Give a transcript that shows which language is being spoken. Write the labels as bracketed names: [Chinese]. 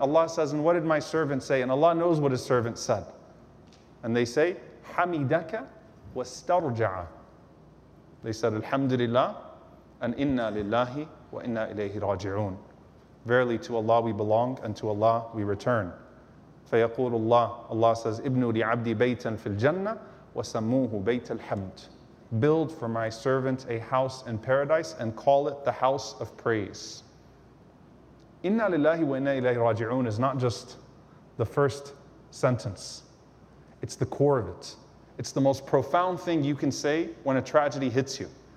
[English] Allah says, and what did my servant say? And Allah knows what his servant said. And they say, [Arabic] حَمِدَكَ وَاسْتَرْجَعَ. [English] They said, Alhamdulillah, and [Arabic] inna lillahi wa inna ilayhi raji'un. [English] Verily to Allah we belong and to Allah we return. [Arabic] فيقول الله, [English] Allah says, [Arabic] ابنوا لعبدي بيتا في الجنة وسموه بيت الحمد. [English] Build for my servant a house in paradise and call it the house of praise. [Arabic] إنا لله وإنا إليه راجعون [English] is not just the first sentence. It's the core of it. It's the most profound thing you can say when a tragedy hits you.